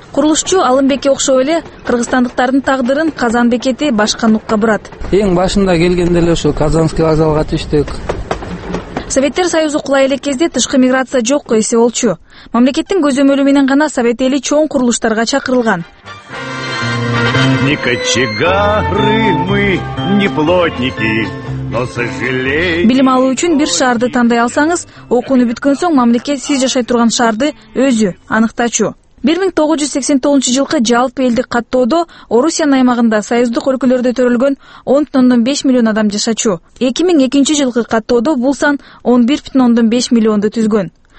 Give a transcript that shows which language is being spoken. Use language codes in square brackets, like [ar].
[ky] Курулушчу Алымбекке окшоп эле кыргызстандыктардын тагдырын Казан бекети башка нукка бурат. Эң башында келгенде эле ошо Казанский вокзалга түштүк. Советтер Союзу кулай элек кезде тышкы миграция жокко эсе болчу. Мамлекеттин көзөмөлү менен гана совет эли чоң курулуштарга чакырылган. [ru] Не кочегары мы, не плотники, но сожалеем. [ky] Билим алуу үчүн бир шаарды тандай алсаңыз, окууну бүткөн соң мамлекет сиз жашай турган шаарды өзү аныктачу. 1989 жылкы жалпы элдик каттоодо Орусиянын аймагында союздук өлкөлөрдө төрөлгөн 10.5 миллион адам жашачу. 2002 жылкы каттоодо бул сан 11.5 миллионду түзгөн.